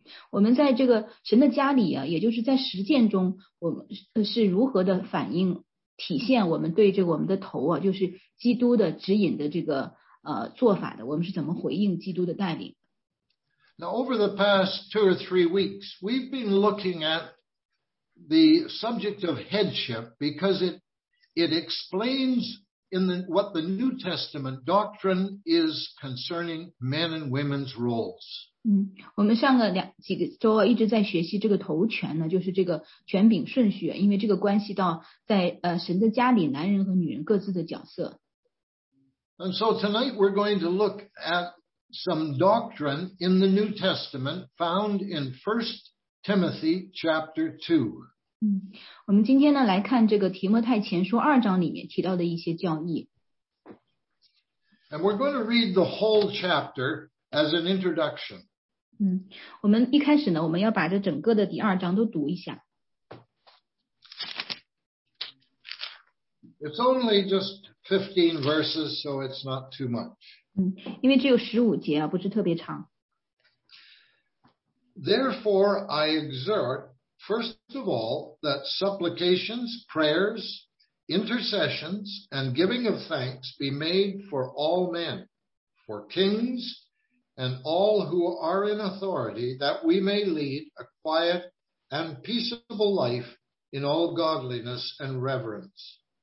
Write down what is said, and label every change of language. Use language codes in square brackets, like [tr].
[zh] 我们在这个神的家里也就是在实践中，我们是如何的反映体现我们对这个我们的头就是基督的指引的这个做法的，我们是怎么回应基督的带领。 [en] Now over the past two or three weeks, we've been looking at the subject of headship because it explains what the New Testament doctrine is concerning men and women's roles. [zh] 我们上个几个周一直在学习这个头权呢，就是这个权柄顺序，因为这个关系到在神的家里男人和女人各自的角色。 [en] And so tonight we're going to look at some doctrine in the New Testament found in 1 Timothy chapter 2. [zh] 我们今天呢来看这个提摩太前书二章里面提到的一些教义。 [en] And we're going to read the whole chapter as an introduction. [zh] 我们一开始呢，我们要把这整个的第二章都读一下。 [en] It's only just 15 verses, so it's not too much. [zh] 因为只有15节不是特别长。 [en] Therefore, I exhort, first of all, that supplications, prayers, intercessions, and giving of thanks be made for all men, for kings, and all who are in authority, that we may lead a quiet and peaceable life in all godliness and reverence.